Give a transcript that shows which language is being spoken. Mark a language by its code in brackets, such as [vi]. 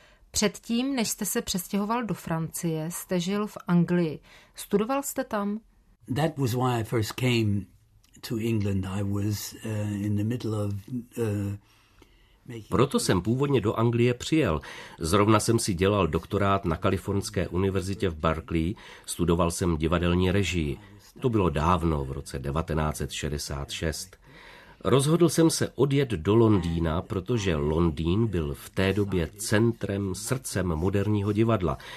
[cs] Předtím, než jste se přestěhoval do Francie, jste žil v Anglii. Studoval jste tam? [en] That was why I first came to England. I was in the middle of [cs] Proto jsem původně do Anglie přijel. Zrovna jsem si dělal doktorát na Kalifornské univerzitě v Berkeley, studoval jsem divadelní režii. To bylo dávno, v roce 1966. Rozhodl jsem se odjet do Londýna, protože Londýn byl v té době centrem, srdcem moderního divadla.